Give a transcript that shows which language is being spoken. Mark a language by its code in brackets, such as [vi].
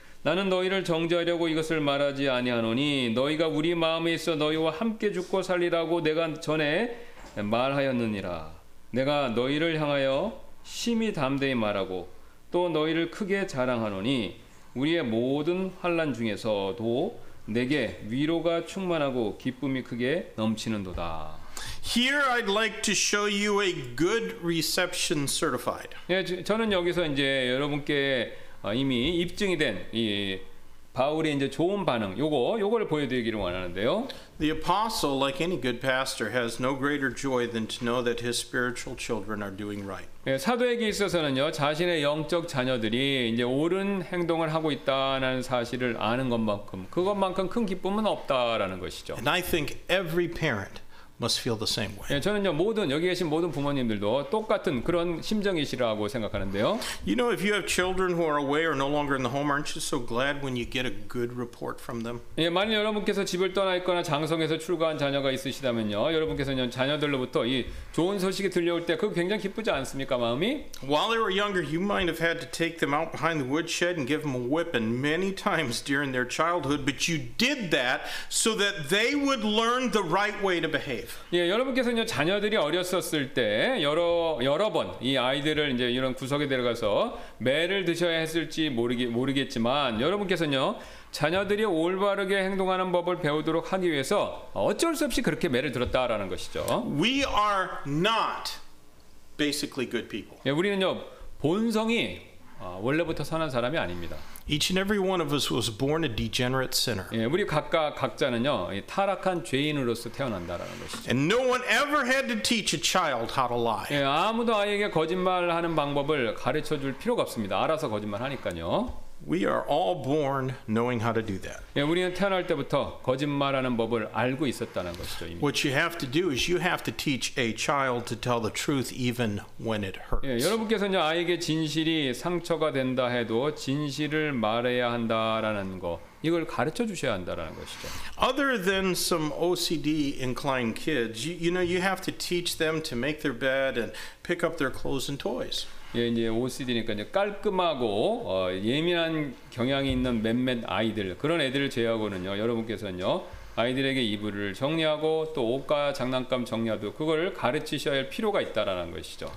[ko] 나는 너희를 정죄하려고 이것을 말하지 아니하노니 너희가 우리 마음에 있어 너희와 함께 죽고 살리라고 내가 전에 말하였느니라. 내가 너희를 향하여 심히 담대히 말하고 또 너희를 크게 자랑하노니 우리의 모든 환난 중에서도 내게 위로가 충만하고 기쁨이 크게 넘치는도다. [en] Here I'd like to show you a good reception certified. [ko] 예, 저는 여기서 이제 여러분께 이미 입증이 된 이 바울의 이제 좋은 반응, 요거를 보여드리기를 원하는데요. [en] The apostle, like any good pastor, has no greater joy than to know that his spiritual children are doing right. [ko] 예, 사도에게 있어서는요, 자신의 영적 자녀들이 이제 옳은 행동을 하고 있다는 사실을 아는 것만큼 그것만큼 큰 기쁨은 없다라는 것이죠. [en] And I think every parent must feel the same way. [ko] 예, 저는요 모든 여기 계신 모든 부모님들도 똑같은 그런 심정이시라고 생각하는데요. [en] You know, if you have children who are away or no longer in the home, aren't you so glad when you get a good report from them? [ko] 예, 만일 여러분께서 집을 떠나 있거나 장성에서 출가한 자녀가 있으시다면요, 여러분께서는 자녀들로부터 이 좋은 소식이 들려올 때 그 굉장히 기쁘지 않습니까, 마음이? [en] While they were younger, you might have had to take them out behind the woodshed and give them a whipping many times during their childhood, but you did that so that they would learn the right way to behave. [ko] 예, 여러분께서는 자녀들이 어렸었을 때 여러 번 이 아이들을 이제 이런 구석에 데려가서 매를 드셔야 했을지 모르겠지만 여러분께서는요 자녀들이 올바르게 행동하는 법을 배우도록 하기 위해서 어쩔 수 없이 그렇게 매를 들었다라는 것이죠. [en] We are not basically good people. [ko] 예, 우리는요 본성이 원래부터 선한 사람이 아닙니다. [en] Each and every one of us was born a degenerate sinner. [ko] 예, 우리 각자는요 타락한 죄인으로서 태어난다라는 것이죠. [en] And no one ever had to teach a child how to lie. [ko] 예, 아무도 아이에게 거짓말하는 방법을 가르쳐줄 필요가 없습니다. 알아서 거짓말하니까요. [en] We are all born knowing how to do that. [ko] 예, 우리는 태어날 때부터 거짓말하는 법을 알고 있었다는 것이죠. 이미. [en] What you have to do is you have to teach a child to tell the truth even when it hurts. [ko] 예, 여러분께서는 아이에게 진실이 상처가 된다 해도 진실을 말해야 한다라는 거 이걸 가르쳐 주셔야 한다라는 것이죠. [en] Other than some OCD inclined kids, you know, you have to teach them to make their bed and pick up their clothes and toys. [ko] 예, 이제 OCD니까 이제 깔끔하고 예민한 경향이 있는 몇몇 아이들 그런 애들을 제외하고는요 여러분께서는요 아이들에게 이불을 정리하고 또 옷과 장난감 정리하고 그걸 가르치셔야 할 필요가 있다라는 것이죠.